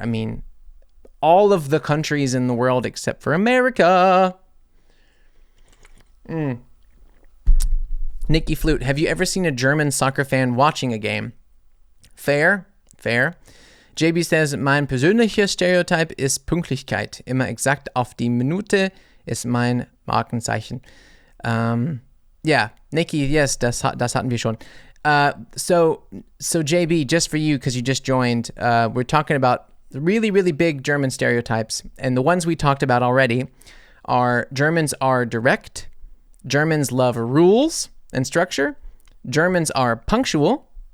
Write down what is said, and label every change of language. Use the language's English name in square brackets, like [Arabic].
[English] I mean, all of the countries in the world except for America. Nikki Flute, have you ever seen a German soccer fan watching a game? Fair. JB says, [German] mein persönlicher Stereotype ist Pünktlichkeit. Immer exakt auf die Minute ist mein Markenzeichen. [English] Yeah, Nikki, yes, [German] das hatten wir schon. [English] So JB, just for you, because you just joined, we're talking about really, really big German stereotypes. And the ones we talked about already are Germans are direct. Germans love rules and structure. Germans are punctual.